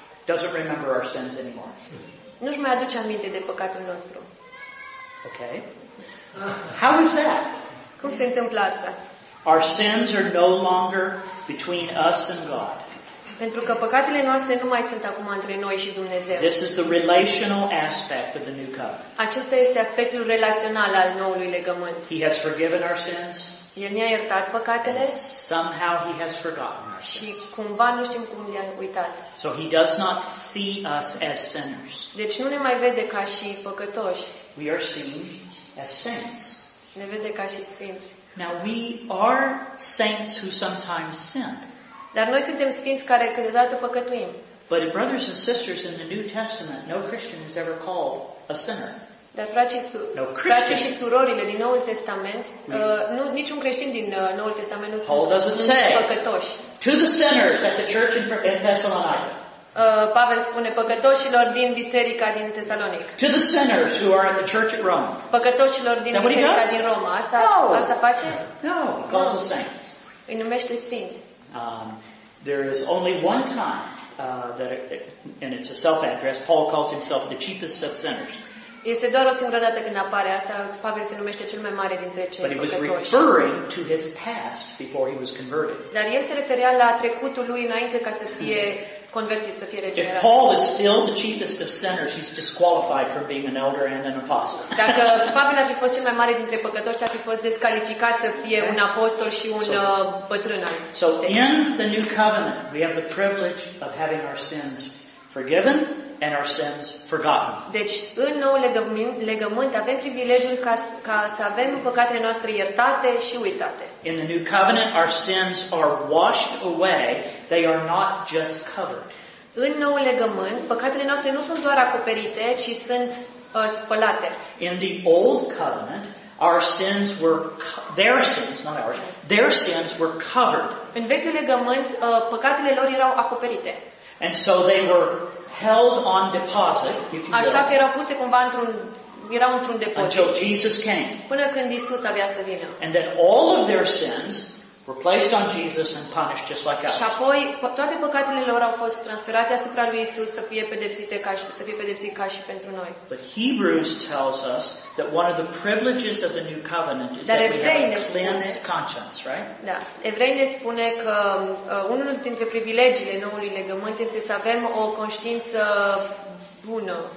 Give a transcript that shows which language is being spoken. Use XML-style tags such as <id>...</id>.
<en>doesn't remember our sins anymore.</en> <ro>Nu-și mai aduce aminte de păcatul nostru.</ro> <en>Okay. How is that?</en> <ro>Cum se întâmplă asta?</ro> <en>Our sins are no longer between us and God.</en> <ro>Pentru că păcatele noastre nu mai sunt acum între noi și Dumnezeu.</ro> <en>This is the relational aspect of the new covenant.</en> <ro>Acesta este aspectul relațional al noului legământ.</ro> <en>He has forgiven our sins.</en> <ro>El ne-a iertat păcatele.</ro> <en>Somehow he has forgotten our sins.</en> <ro>Și cumva nu știm cum le-a uitat.</ro> <en>So he does not see us as sinners.</en> <ro>Deci nu ne mai vede ca și păcătoși.</ro> <en>We are seen as saints.</en> <ro>Ne vede ca și sfinți.</ro> <en>Now we are saints who sometimes sin.</en> <ro>Dar noi suntem sfinți care câteodată păcătuim.</ro> <en>But brothers and sisters in the New Testament, no Christian is ever called a sinner.</en> <ro>Dar frații și surorile din Noul Testament, nu niciun creștin din Noul Testament nu sunt păcătoși.</ro> <en>To the sinners at the church in Thessalonica.</en> <ro>Pavel spune păcătoșilor din biserica din Tesalonic.</ro> <en>To the sinners who are at the church at Rome.</en> <ro>Păcătoșilor din biserica din Roma. Asta asta face?</ro> <en>No, he calls the saints.</en> <ro>Îi numește sfinți.</ro> <en>There is only one time that and it's a self-address. Paul calls himself the chiefest of sinners.</en> <ro>Este doar o singură dată când apare asta, Pavel se numește cel mai mare dintre cei păcătoși.</ro> <en>But he was referring to his past before he was converted.</en> <ro>Dar el se referea la trecutul lui înainte ca să fie convertit, să fie regenerat.</ro> <en>If Paul is still the chiefest of sinners, he's disqualified from being an elder and an apostle.</en> <ro>Dacă Pavel ar fi fost cel mai mare dintre păcătoși, ar fi fost descalificat să fie un apostol și un bătrân.</ro> <en>So in the new covenant, we have the privilege of having our sins forgiven and our sins forgotten.</en> <ro>Deci în nou legământ avem privilegiul ca să avem păcatele noastre iertate și uitate.</ro> <en>In the new covenant our sins are washed away, they are not just covered.</en> <ro>În nou legământ păcatele noastre nu sunt doar acoperite, ci sunt spălate.</ro> <en>In the old covenant our sins were their sins, not ours. Their sins were covered.</en> <ro>În vechiul legământ păcatele lor erau acoperite.</ro> <en>And so they were held on deposit, if you</en> <ro>așa că erau puse cumva într-un depozit.</ro> <en>Until Jesus came.</en> <ro>Până când Isus avea să vină.</ro> <en>And then all of their sins were placed on Jesus and punished just like us.</en> <ro>Și apoi toate păcatele lor au fost transferate asupra lui Isus să fie pedepsite ca și pentru noi.</ro> <en>But Hebrews tells us that one of the privileges of the new covenant is that we have a cleansed conscience, right?</en> <ro>Da. Evrei ne spune că unul dintre privilegiile noului legământ este să avem o conștiință bună.</ro>